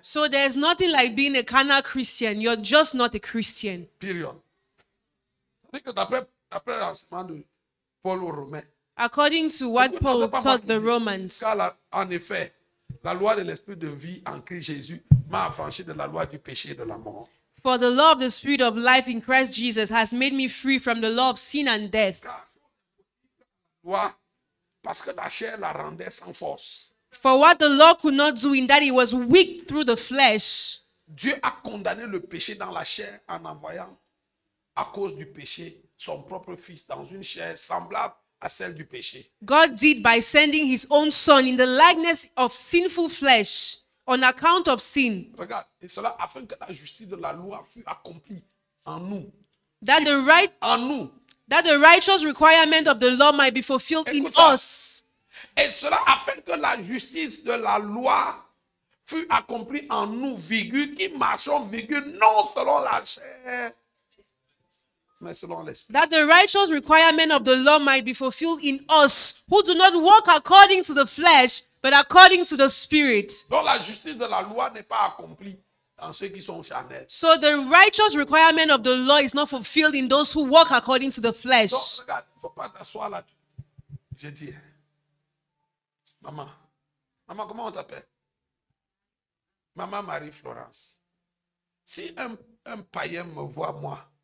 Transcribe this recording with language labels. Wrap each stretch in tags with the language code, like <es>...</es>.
<en>So there's nothing like being a carnal Christian. You're just not a Christian. Period.</en> <fr>C'est-à-dire que d'après l'enseignement de Paul aux Romains.</fr> <en>According to what Paul taught the Romans.</en> <fr>Car en effet, la loi de l'esprit de vie en Christ Jésus m'a affranchi de la loi du péché et de la mort.</fr> <en>For the law of the spirit of life in Christ Jesus has made me free from the law of sin and death.</en> <fr>Parce que la chair la rendait sans force.</fr> <en>For what the law could not do in that it was weak through the flesh.</en> <fr>Dieu a condamné le péché dans la chair en envoyant à cause du péché son propre fils dans une chair semblable.</fr> <en>God did by sending his own son in the likeness of sinful flesh on account of sin.</en> <fr>Regarde, et cela afin que la justice de la loi fût accomplie en nous.</fr> <en>That the right</en> <fr>en nous.</fr> <en>That the righteous requirement of the law might be fulfilled</en> <fr>Écoute ça.</fr> <en>Us.</en> <fr>Et cela afin que la justice de la loi fût accomplie en nous, virgule, qui marchons virgule non selon la chair.</fr> <en>That the righteous requirement of the law might be fulfilled in us who do not walk according to the flesh but according to the spirit.</en> <fr>Donc la justice de la loi n'est pas accomplie en ceux qui sont charnels.</fr> <en>So the righteous requirement of the law is not fulfilled in those who walk according to the flesh.</en> <fr>Donc regarde, il faut pas t'asseoir là. J'ai dit, maman, comment on t'appelle? Maman Marie Florence. Si un païen me voit moi.</fr>